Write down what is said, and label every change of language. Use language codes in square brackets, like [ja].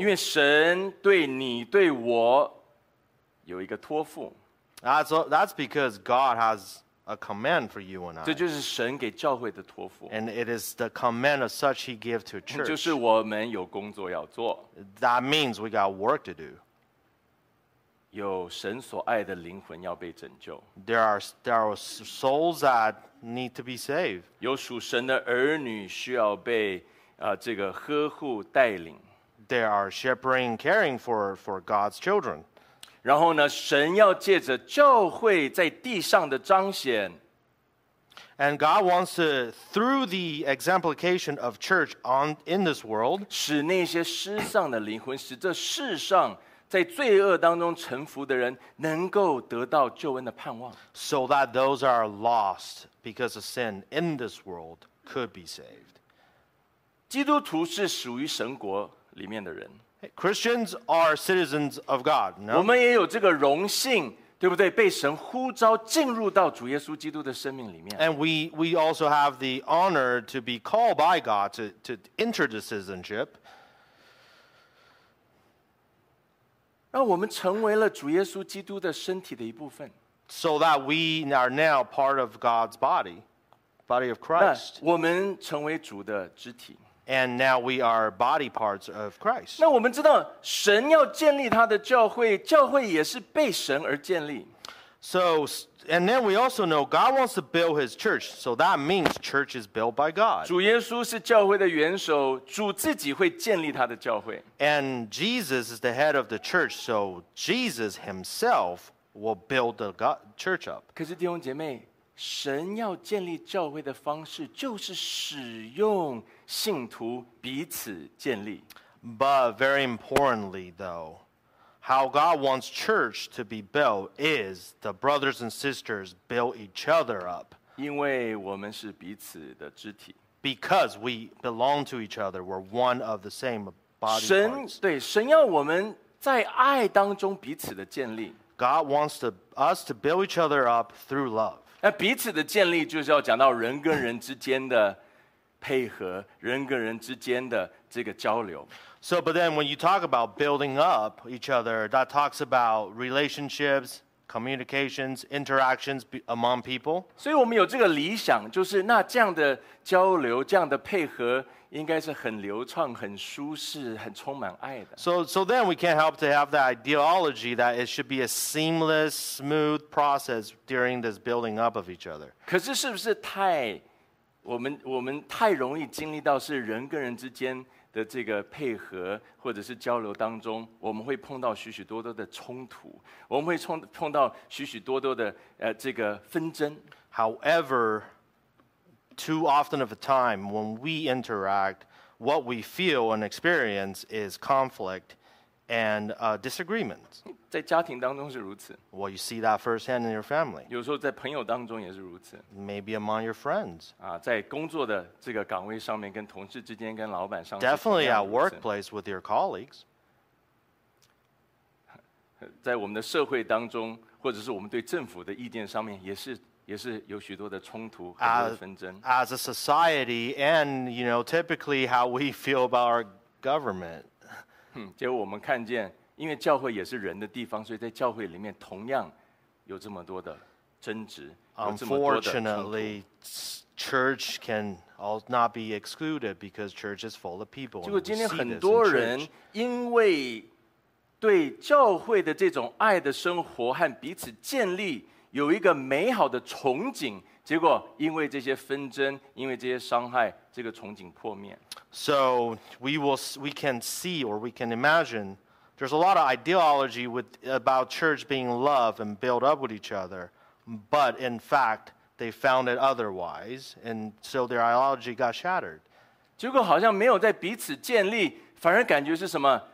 [zh] 因为神对你对我有一个托付。 [en] That's because God has a command for you and I. [zh] 这就是神给教会的托付。 [en] And it is the command of such he gives to church. [zh] 就是我们有工作要做。 [en] That means we got work to do. [zh] 有神所爱的灵魂要被拯救。 [en] There are souls that need to be saved. [zh] 有属神的儿女需要被这个呵护带领。 [en] they are shepherding and caring for God's children. [zh] 然后呢，神要借着教会在地上的彰显。 [en] And God wants to, through the exemplification of church on, in this world, [zh] 使那些失丧的灵魂，使这世上在罪恶当中沉浮的人能够得到救恩的盼望。 [en] So that those are lost because of sin in this world could be saved. [zh] 基督徒是属于神国里面的人。 [en] Christians are citizens of God, no? [zh] 我们也有这个荣幸对不对？被神呼召进入到主耶稣基督的生命里面。 [en] And we also have the honor to be called by God to enter the citizenship. [zh] 让我们成为了主耶稣基督的身体的一部分。 [en] So that we are now part of God's body, body of Christ. [zh] 我们成为主的肢体。 [en] And now we are body parts of Christ. [zh] 那我们知道神要建立他的教会，教会也是被神而建立。 [en] So, and then we also know God wants to build his church. So that means church is built by God. [zh] 主耶稣是教会的元首，主自己会建立他的教会。 [en] And Jesus is the head of the church. So Jesus himself will build the church up. [zh] 可是弟兄姐妹，神要建立教会的方式就是使用信徒彼此建立。 [en] But very importantly though, how God wants church to be built is the brothers and sisters build each other up. [zh] 因为我们是彼此的肢体。 [en] Because we belong to each other, we're one of the same body parts. [zh] 神，对，神要我们在爱当中彼此的建立。 [en] God wants us to build each other up through love. [zh] 那彼此的建立就是要讲到人跟人之间的配合，人跟人之间的这个交流。 [en] So, but then when you talk about building up each other, that talks about relationships, communications, interactions among people. [zh] 所以我们有这个理想，就是那这样的交流，这样的配合应该是很流畅，很舒适，很充满爱的。 [en] So then we can't help to have the ideology that it should be a seamless, smooth process during this building up of each other. [zh] 可是是不是太我们太容易经历到是人跟人之间的这个配合或者是交流当中，我们会碰到许许多多的冲突，我们会碰到许许多多的这个纷争。 [en] However, too often of a time when we interact, what we feel and experience is conflict and disagreement. [zh] 在家庭当中是如此。 [en] Well, you see that firsthand in your family. [zh] 有时候在朋友当中也是如此。 [en] Maybe among your friends. [zh] 在工作的这个岗位上面，跟同事之间，跟老板上。 [en] Definitely at workplace with your colleagues. [zh] 在我们的社会当中，或者是我们对政府的意见上面，也是有许多的冲突，很多的纷争。 [en] As a society, and you know, typically how we feel about our government. [zh] 结果我们看见，因为教会也是人的地方，所以在教会里面同样有这么多的争执，有这么多的冲突。 [en] Unfortunately, church can all not be excluded because church is full of people. [zh] 结果今天很多人因为对教会的这种爱的生活和彼此建立有一个美好的憧憬，结果因为这些纷争，因为这些伤害，这个憧憬破灭。 [en] So we can see or we can imagine there's a lot of ideology about church being love and build up with each other, but in fact they found it otherwise, and so their ideology got shattered. [zh] 结果好像没有在彼此建立，反而感觉是什么？